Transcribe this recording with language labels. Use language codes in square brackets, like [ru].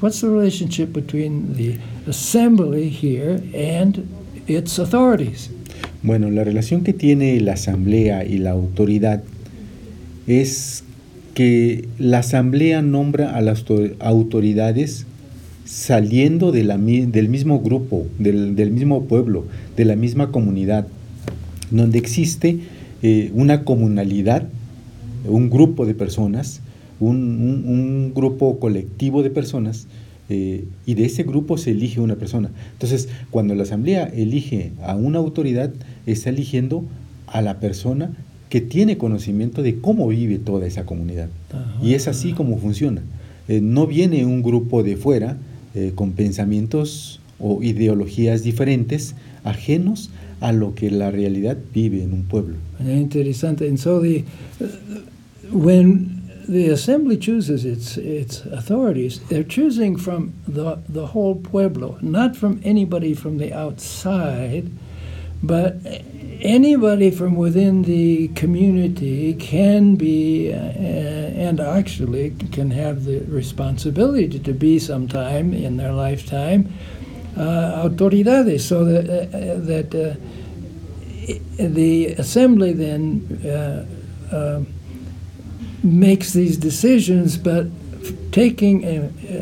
[en] What's the relationship between the assembly here and its authorities? [es] Bueno, la relación que tiene la asamblea y la autoridad es que la asamblea nombra a las autoridades saliendo de del mismo grupo, del mismo pueblo, de la misma comunidad, donde existe una comunalidad, un grupo de personas, un grupo colectivo de personas, y de ese grupo se elige una persona. Entonces, cuando la asamblea elige a una autoridad, está eligiendo a la persona que tiene conocimiento de cómo vive toda esa comunidad. Y es así como funciona. No viene un grupo de fuera con pensamientos o ideologías diferentes, ajenos a lo que la realidad vive en un pueblo. Interesante. [en] And so when the assembly chooses its authorities, they're choosing from the whole pueblo, not from anybody from the outside, but anybody from within the community can be, and actually can have the responsibility to be sometime in their lifetime, autoridades, so the assembly then makes these decisions, but taking